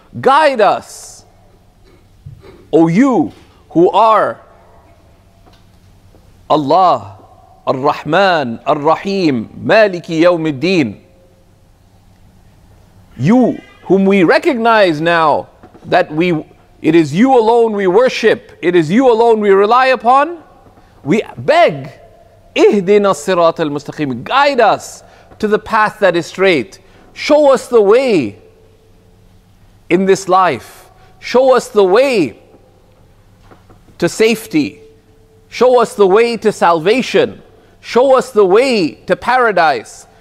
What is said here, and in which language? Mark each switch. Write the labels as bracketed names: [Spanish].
[English] Guide us, O you who are Allah, Ar-Rahman, Ar-Rahim, [Arabic] Maliki Yawm al-Din. [English] You, whom we recognize now that we It is you alone we worship. It is you alone we rely upon. We beg, [Arabic] اِهْدِنَا الصِّرَاطَ الْمُسْتَقِيمِ. [English] Guide us to the path that is straight. Show us the way in this life. Show us the way to safety. Show us the way to salvation. Show us the way to paradise.